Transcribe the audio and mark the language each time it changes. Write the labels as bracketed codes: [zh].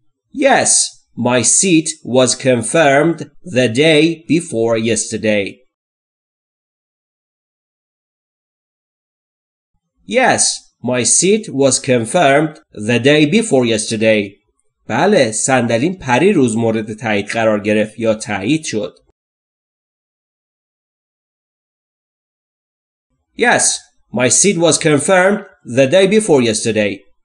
[en] Yes, my seat was confirmed the day before yesterday. Yes, my seat was confirmed the day before yesterday. [fa] بله، صندلیم پری روز مورد تایید قرار گرفت یا تایید شد. [en] Yes, my seat was confirmed the day before yesterday.